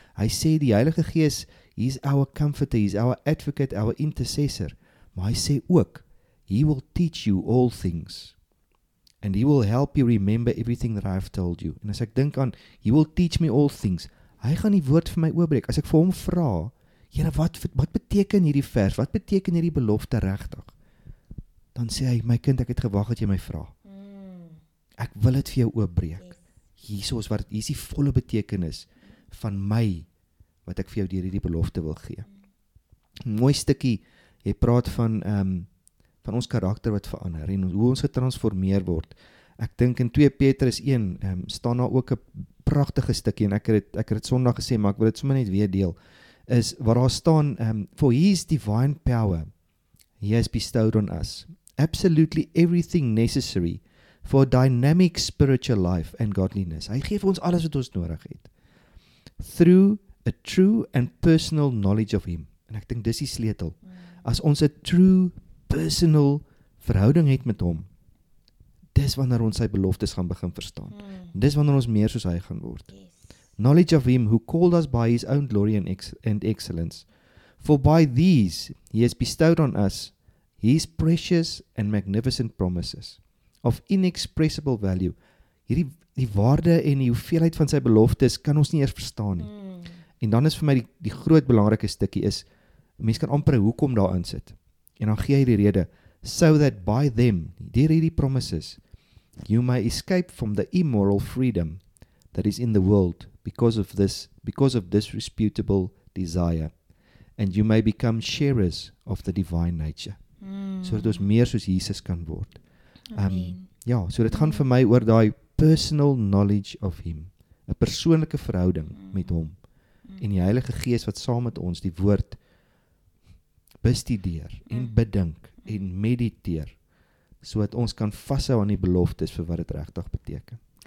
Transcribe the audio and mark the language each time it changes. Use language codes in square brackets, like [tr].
[af] Hy sê die Heilige Gees, [en] he is our comforter, he is our advocate, our intercessor. [af] Maar hy sê ook, [en] he will teach you all things. And he will help you remember everything that I have told you. [af] En as ek dink aan, he will teach me all things, hy gaan die woord vir my oopbreek. As ek vir hom vra, Here, wat beteken hierdie vers? Wat beteken hierdie belofte regtig? Dan sê hy, my kind, ek het gewag dat jy my vra. Ek wil dit vir jou oopbreek. Jesus, wat is die volle betekenis van my, wat ek vir jou deur hierdie belofte wil gee. Mooi stukkie, jy praat van ons karakter wat verander en hoe ons getransformeer word. Ek dink in 2 Petrus 1 staan daar ook 'n pragtige stukkie en ek het Sondag gesê, maar ek wil dit sommer net weer deel. Is waar daar staan, [en] for his divine power, he has bestowed on us absolutely everything necessary for dynamic spiritual life and godliness. [af] Hy geef ons alles wat ons nodig het, [en] through a true and personal knowledge of him. [af] En ek dink dis die sleutel. As ons 'n true personal verhouding het met hom, dis wanneer ons sy beloftes gaan begin verstaan. Dis wanneer ons meer soos hy gaan word. [en] Knowledge of him who called us by his own glory and excellence. For by these he has bestowed on us his precious and magnificent promises of inexpressible value. [af] Hierdie die waarde en die hoeveelheid van sy beloftes kan ons nie eers verstaan nie. En dan is vir my die groot belangrike stukkie is, mens kan amper hoekom daar in sit. En dan gee hy die rede, [en] so that by them, [af] deur hierdie [en] promises, you may escape from the immoral freedom that is in the world because of this disputable desire, and you may become sharers of the divine nature. [af] Mm. So dat ons meer soos Jesus kan word. Ja, so dit gaan vir my oor daai [en] personal knowledge of him, [af] 'n persoonlike verhouding met hom, en die Heilige Gees wat saam met ons die woord bestudeer en bedink en mediteer, so dat ons kan vashou aan die beloftes vir wat dit regtig beteken.